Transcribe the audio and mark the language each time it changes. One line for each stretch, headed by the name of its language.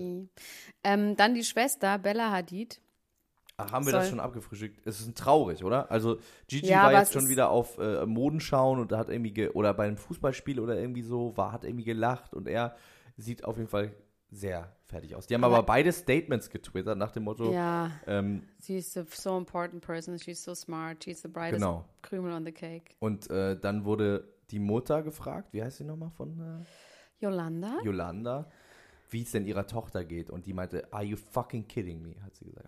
German: Okay. Dann die Schwester, Bella Hadid. Ach, haben wir das schon abgefrühstückt? Es ist traurig, oder? Also Gigi war jetzt schon wieder auf Moden schauen und hat irgendwie, oder bei einem Fußballspiel oder irgendwie so, hat irgendwie gelacht. Und er sieht auf jeden Fall sehr fertig aus. Die haben aber beide Statements getwittert nach dem Motto.
English: Ja, she's a so important person, she's so smart, she's the brightest Krümel on the cake.
German: Und dann wurde die Mutter gefragt, wie heißt sie nochmal von Yolanda? Yolanda, wie es denn ihrer Tochter geht. Und die meinte,
English: are you fucking kidding me,
German: hat sie gesagt.